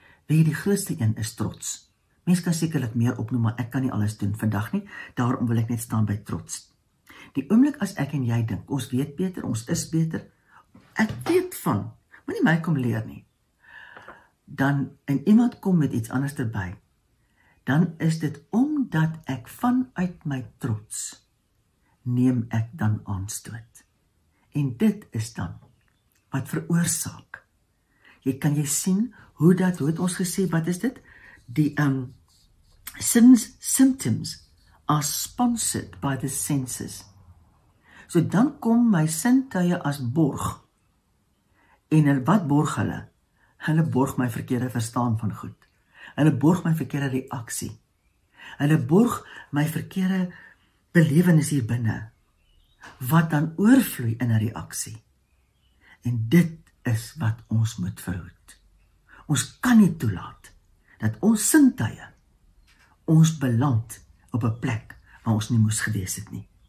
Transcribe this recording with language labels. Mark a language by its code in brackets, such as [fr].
[af] Wie die grootste een is trots. Mens kan sekerlik meer opnoem, maar ek kan nie alles doen vandag nie, daarom wil ek net staan by trots. Die oomblik as ek en jy dink, ons weet beter, ons is beter, ek weet van, moenie my kom leer nie. Dan, en iemand kom met iets anders erby, dan is dit omdat ek vanuit my trots neem ek dan aanstoot. En dit is dan wat veroorsaak. Jy kan jy sien hoe dat, hoe het ons gesê, wat is dit? [en] Die symptoms are sponsored by the senses. [af] So dan kom my sintuie as borg. En wat borg hulle? Hulle borg my verkeerde verstaan van goed. Hulle borg my verkeerde reaksie. Hulle borg my verkeerde belewenis hier binne. Wat dan oorvloei in 'n reaksie. En dit is wat ons moet verhoed. Ons kan nie toelaat dat ons sintuie ons beland op 'n plek waar ons nie moes gewees het nie.